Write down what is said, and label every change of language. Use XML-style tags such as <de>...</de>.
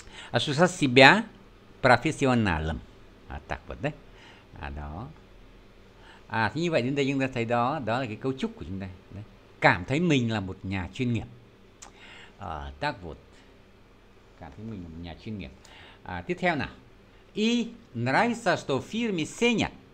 <ru>Ощущать себя профессионалом. Так вот, да? Đó.</ru> <vi>Thì như vậy đến đây chúng ta thấy đó, đó là cái cấu trúc của chúng ta. Đấy. Cảm thấy mình là một nhà chuyên nghiệp. Tác vụ cảm thấy mình là một nhà chuyên nghiệp. Tiếp theo nào.</vi> <ru>И нравится, что фирме ценят.</ru>